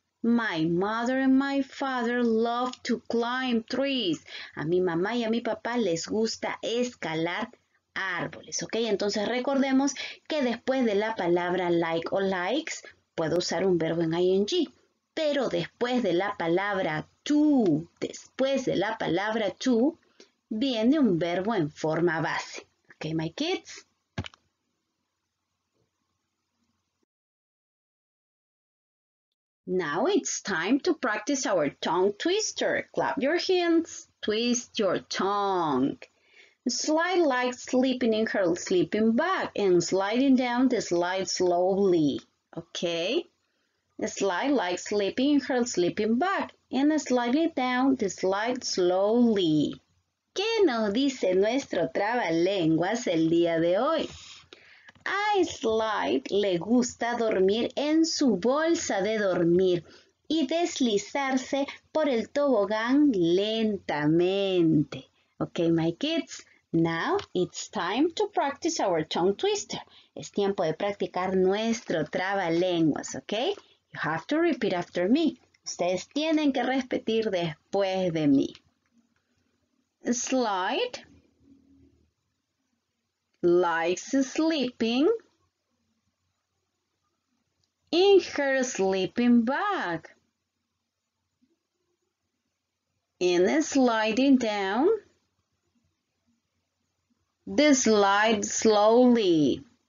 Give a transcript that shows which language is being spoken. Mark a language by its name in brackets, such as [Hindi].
[English] My mother and my father love to climb trees. [Spanish] A mi mamá y a mi papá les gusta escalar árboles, ¿ok? Entonces recordemos que después de la palabra like o likes, puedo usar un verbo en ing. Pero después de la palabra to, después de la palabra to, viene un verbo en forma base. [English] ¿Ok, my kids? Now it's time to practice our tongue twister. Clap your hands, twist your tongue. Slide like sleeping in her sleeping bag and sliding down the slide slowly. Okay? Slide like sleeping in her sleeping bag and slide it down the slide slowly. [Spanish] ¿Qué nos dice nuestro trabalenguas el día de hoy? A Slide le gusta dormir en su bolsa de dormir y deslizarse por el tobogán lentamente. [English] Ok, my kids, now it's time to practice our tongue twister. [Spanish] Es tiempo de practicar nuestro trabalenguas, ok? [English] You have to repeat after me. [Spanish] Ustedes tienen que repetir después de mí. [English] Slide likes sleeping in her sleeping bag and sliding down the slide slowly.